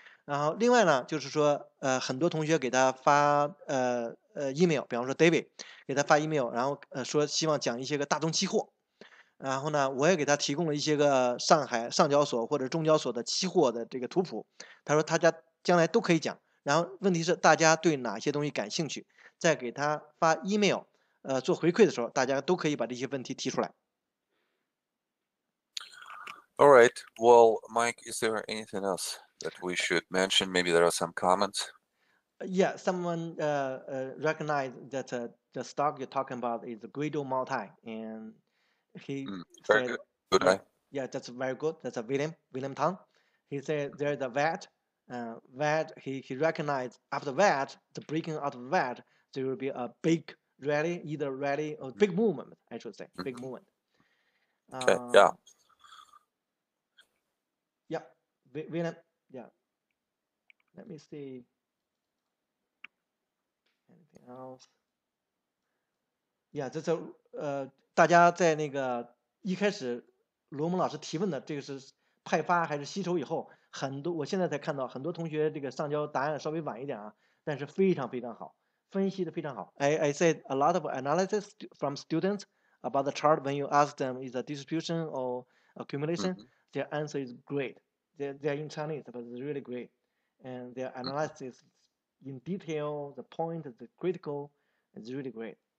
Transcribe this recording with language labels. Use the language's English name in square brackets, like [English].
[Chinese] 然后另外呢，就是说很多同学给他发email， 比方说 David 给他发 email， 然后说希望讲一些个大宗期货，然后呢我也给他提供了一些个上海上交所或者中交所的期货的这个图谱，他说他家将来都可以讲。然后问题是大家对哪些东西感兴趣，在给他发 email 做回馈的时候，大家都可以把这些问题提出来。 [English] All right. Well, Mike, is there anything else that we should mention? Maybe there are some comments. Yeah, someone recognized that the stock you're talking about is Grado Multi, and he said, very good. Yeah, that's very good. That's a William Tang. He said there's a VAT. VAT, he recognized after VAT, the breaking out of VAT, there will be a big rally, either rally or big movement, I should say, big movement. Okay, yeah. William, yeah. Let me see. Anything else? [Chinese] Yeah, 这是大家在那个一开始罗蒙老师提问的，这个是派发还是吸筹以后，很多我现在才看到很多同学这个上交答案稍微晚一点啊，但是非常非常好，分析的非常好。 [English] I said a lot of analysis from students about the chart when you ask them is a distribution or accumulation,、mm-hmm. their answer is great. They're in Chinese, but it's really great. And their analysis in detail, the point, the critical, is really great.